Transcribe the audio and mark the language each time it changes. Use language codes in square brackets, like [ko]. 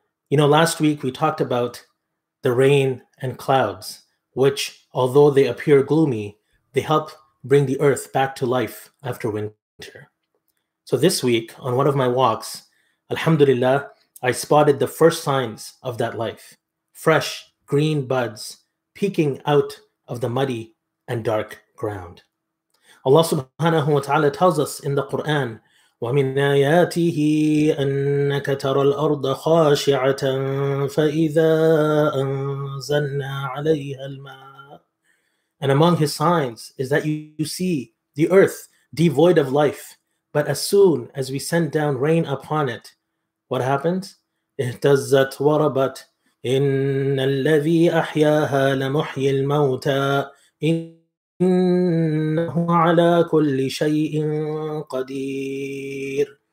[en] You know, last week we talked about the rain and clouds, which, although they appear gloomy, they help bring the earth back to life after winter. So this week, on one of my walks, alhamdulillah, I spotted the first signs of that life, fresh green buds peeking out of the muddy and dark ground. Allah subhanahu wa ta'ala tells us in the Quran, [ar] وَمِنْ آيَاتِهِ أَنَّكَ تَرَى الْأَرْضَ خَاشِعَةً فَإِذَا أَنزَلْنَا عَلَيْهَا الْمَاءِ. [en] And among his signs is that you see the earth devoid of life, but as soon as we send down rain upon it, what happens? [ar] اِهْتَزَّتْ وَرَبَتْ إِنَّ الَّذِي أَحْيَاهَا لَمُحْيِي الْمَوْتَى إِنَّهُ عَلَى كُلِّ شَيْءٍ قَدِيرٍ.